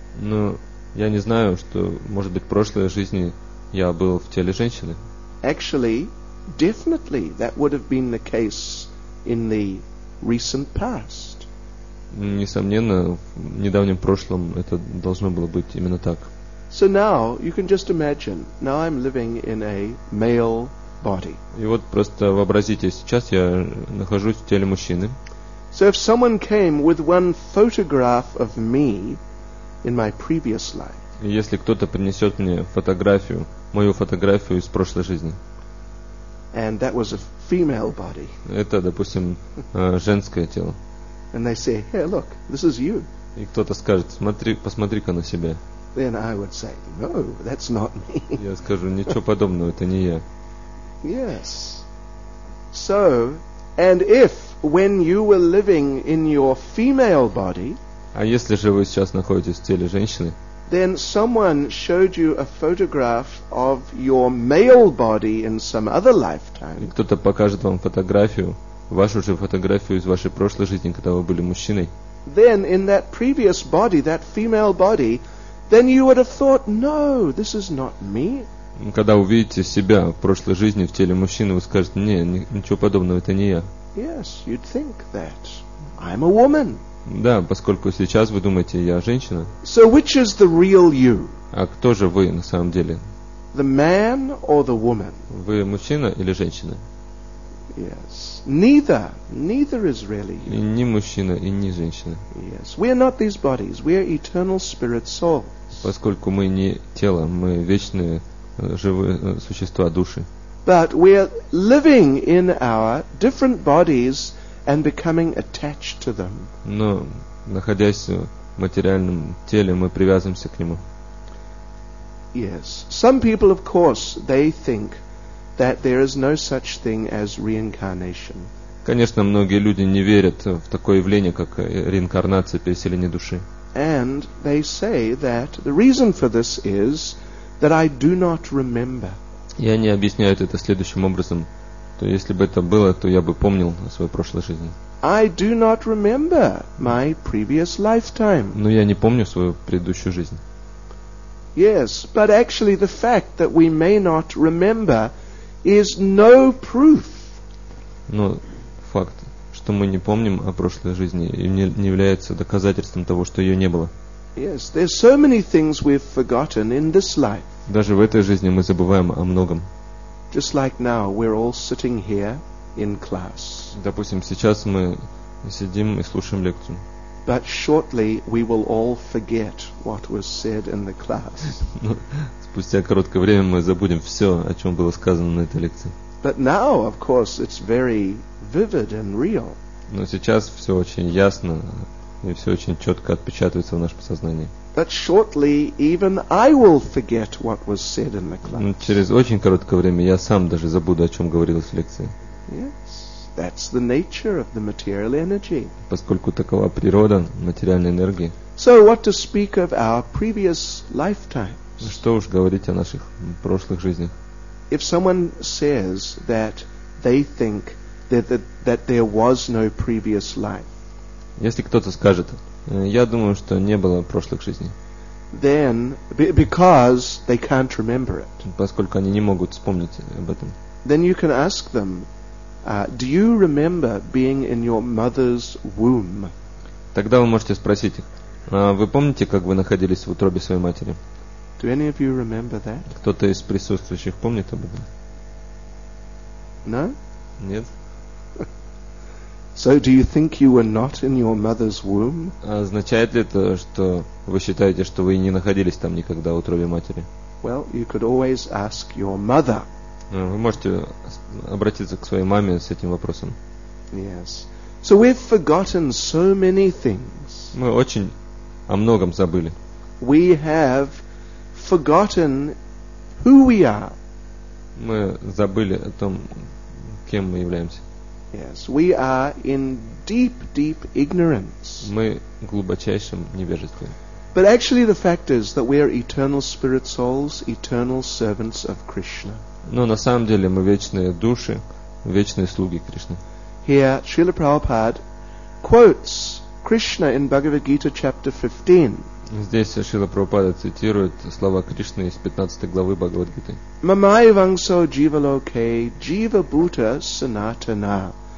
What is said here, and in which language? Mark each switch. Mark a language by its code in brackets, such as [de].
[ru] Но я не знаю, что, может быть, в прошлой жизни я был в теле женщины. [en] Actually, definitely that would have been the case in the recent past. [ru] Несомненно, в недавнем прошлом это должно было быть именно так. [en] So now you can just imagine. Now I'm living in a male body. [ru] И вот просто вообразите, сейчас я нахожусь в теле мужчины. [en] So if someone came with one photograph of me in my previous life. [ru] Если кто-то принесет мне фотографию, мою фотографию из прошлой жизни. [en] And that was a female body. [ru] Это, допустим, женское тело. [en] And they say, hey, look, this is you. [ru] И кто-то скажет, смотри, посмотри-ка на себя. [en] Then I would say, no, that's not me. [ru] Я скажу, ничего подобного, это не я. [en] Yes. So, and if when you were living in your female body, [ru] а если же вы сейчас находитесь в теле женщины, [en] then someone showed you a photograph of your male body in some other lifetime. [ru] Кто-то покажет вам фотографию, вашу же фотографию из вашей прошлой жизни, когда вы были мужчиной. [en] Then in that previous body, that female body, then you would have thought, no, this is not me. [ru] когда увидите себя в прошлой жизни в теле мужчины, вы скажете: «Не, ничего подобного, это не я». [en] Yes, you'd think that. I'm a woman. [ru] Да, поскольку сейчас вы думаете, я женщина. [en] So which is the real you? [ru] А кто же вы на самом деле? [en] The man or the woman? [ru] Вы мужчина или женщина? [en] Yes. Neither. Neither is really you. [ru] И не мужчина, и не женщина. [en] Yes. We are not these bodies. We are eternal spirit souls. [ru] Поскольку мы не тело, мы вечные живые существа, души. [en] But we are living in our different bodies and becoming attached to them. [ru] Но находясь в материальном теле, мы привязываемся к нему. [en] Yes. Some people, of course, they think that there is no such thing as reincarnation. [ru] Конечно, многие люди не верят в такое явление, как реинкарнация, переселение души. [en] And they say that the reason for this is that I do not remember. [ru] И они объясняют это следующим образом: то если бы это было, то я бы помнил о своей прошлой жизни. [en] I do not remember my previous lifetime. [ru] Но я не помню свою предыдущую жизнь. [en] Yes, but actually the fact that we may not remember is no proof. [ru] Но факт, что мы не помним о прошлой жизни, не является доказательством того, что ее не было. [en] Yes, there are so many things we've forgotten in this life. [ru] Даже в этой жизни мы забываем о многом. [en] Just like now, we're all sitting here in class. [ru] Допустим, сейчас мы сидим и слушаем лекцию. [en] But shortly we will all forget what was said in the class. [ru] Спустя короткое время мы забудем все, о чем было сказано на этой лекции. [en] But now, of course, it's very vivid and real. [ru] Но сейчас все очень ясно и все очень четко отпечатывается в нашем сознании. [en] But shortly even I will forget what was said in the class. [ru] Но через очень короткое время я сам даже забуду, о чем говорилось в лекции. [en] Yes. That's the nature of the material energy. [ru] Поскольку такова природа материальной энергии. [en] So what to speak of our previous lifetimes? [ru] Что уж говорить о наших прошлых жизнях? [en] If someone says that they think that there was no previous life. [ru] Если кто-то скажет: я думаю, что не было прошлых жизней. [en] Then because they can't remember it. [ru] Поскольку они не могут вспомнить об этом. [en] Then you can ask them: do you remember being in your mother's womb? [ru] Тогда вы можете спросить: вы помните, как вы находились в утробе своей матери? [en] Do any of you remember that? [ru] Кто-то из присутствующих помнит об этом? [en] No? [ru] Нет. [en] So do you think you were not in your mother's womb? [ru] Означает ли это, что вы считаете, что вы не находились там никогда в утробе матери? [en] Well, you could always ask your mother. [ru] Вы можете обратиться к своей маме с этим вопросом. [en] Yes. So we've forgotten so many things. [ru] Мы очень о многом забыли. [en] We have forgotten who we are. [ru] Мы забыли о том, кем мы являемся. [en] Yes. We are in deep, deep ignorance. [ru] Мы в глубочайшем невежестве. [en] But actually the fact is that we are eternal spirit souls, eternal servants of Krishna. [ru] Но на самом деле мы вечные души, вечные слуги Кришны. [en] Here Srila Prabhupada quotes Krishna in Bhagavad Gita chapter 15. [ru] Здесь Шрила Прабхупада цитирует слова Кришны из 15 главы Бхагавад-гиты. [sa] Мамайвансо дживалоке дживабута санатана.